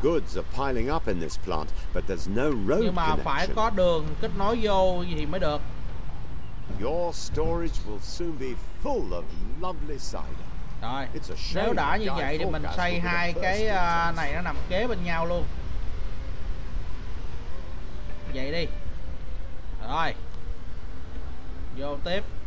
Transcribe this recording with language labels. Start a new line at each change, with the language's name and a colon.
English: Goods are piling up in this plant, but there's no road.
Vietnamese: Nhưng mà phải có đường kết nối vô thì mới được.
English: Your storage will soon be full of lovely cider.
Vietnamese: Rồi, nếu đã như vậy thì mình xây hai cái này nó nằm kế bên nhau luôn. Vậy đi. Rồi vô tiếp.